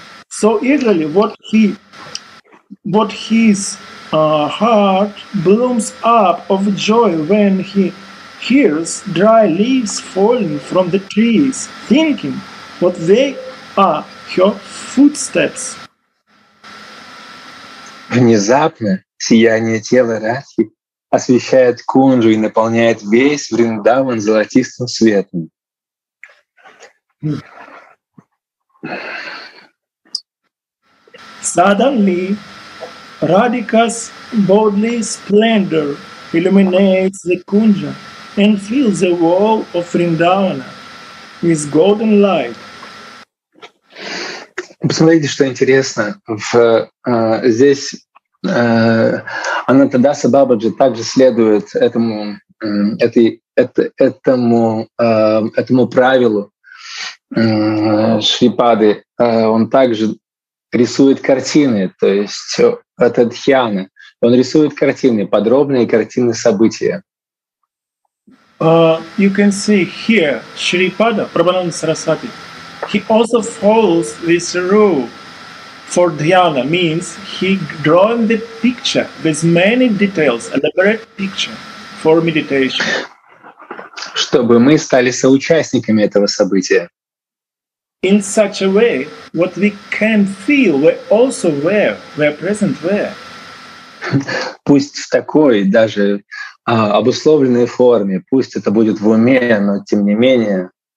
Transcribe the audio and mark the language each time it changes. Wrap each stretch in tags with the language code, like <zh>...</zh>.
<en>So eagerly, what his heart blooms up of joy when he hears dry leaves falling from the trees, thinking what they are her footsteps.</en> <ru>Внезапно сияние тела Радхи освещает Кунджу и наполняет весь Вриндаван золотистым светом.</ru> <en>Suddenly, Radhika's bodily splendor illuminates the kunja and fills the wall of Vrindavana with golden light.</en> <ru>Посмотрите, что интересно. Здесь Анантадаса Бабаджи также следует этому правилу Шрипады. Он также рисует картины, то есть это дхьяна. Он рисует картины, подробные картины события.</ru> <en>You can see here Shripada, Prabhananda Sarasvati, he also follows this rule for dhyana, means he drawing the picture with many details, elaborate picture for meditation.</en> <ru>Чтобы мы стали соучастниками этого события.</ru> <en>In such a way, what we can feel, we also wear, we are present where.</en> <ru>Пусть в такой, даже обусловленной форме, пусть это будет в уме, но тем не менее.</ru>